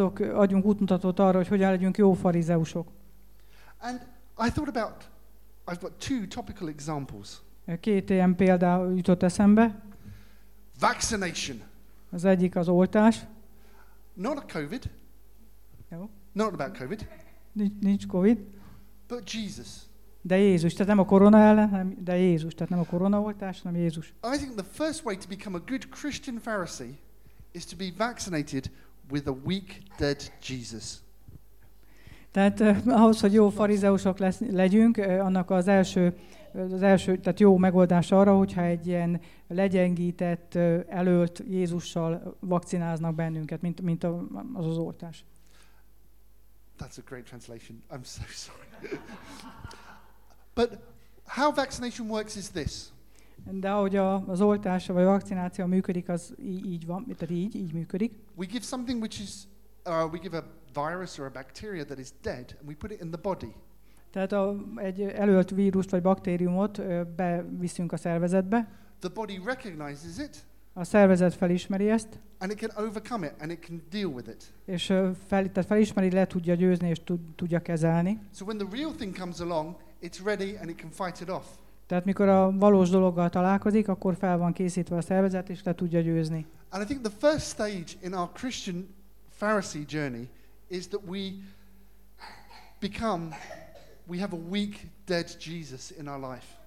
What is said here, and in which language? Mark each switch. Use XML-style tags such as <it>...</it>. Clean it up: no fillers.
<hu>Adjunk útmutatót arra, hogy hogyan legyünk jó farizeusok.</hu> <en>And I thought about, I've got two topical examples.</en> <hu>Két ilyen példa jutott eszembe.</hu> <en>Vaccination.</en> <hu>Az egyik az oltás.</hu> <en>Not a COVID. No. Not about COVID.</en> <hu>Nincs COVID.</hu> <en>But Jesus.</en> <hu>De Jézus, tehát nem a korona ellen, de Jézus, tehát nem a korona oltás, hanem Jézus.</hu> <en>I think the first way to become a good Christian Pharisee is to be vaccinated with a weak, dead Jesus.</en> <hu>Tehát ahhoz, hogy jó farizeusok legyünk, annak az első, tehát jó megoldás arra, hogyha egy ilyen legyengített, elölt Jézussal vakcináznak bennünket, mint az az oltás.</hu> <en>That's a great translation. I'm so sorry. But How vaccination works is this.</en> <hu>De ahogy az oltás vagy vakcináció működik, az így van, tehát így működik.</hu> <en>We give something which is, we give a virus or a bacteria that is dead, and we put it in the body.</en> <hu>Tehát egy elölt vírust vagy baktériumot beviszünk a szervezetbe.</hu> <en>The body recognizes it.</en> <hu>A szervezet felismeri ezt.</hu> <en>And it can overcome it, and it can deal with it.</en> <hu>És felismeri, le tudja győzni, és tudja kezelni.</hu> <en>So when the real thing comes along, it's ready and it can fight it off.</en> <hu>Tehát mikor a valós dologgal találkozik, akkor fel van készítve a szervezet, és le tudja győzni.</hu> <en>And I think the first stage in our Christian Pharisee journey is that we have a weak, dead Jesus in our life.</en>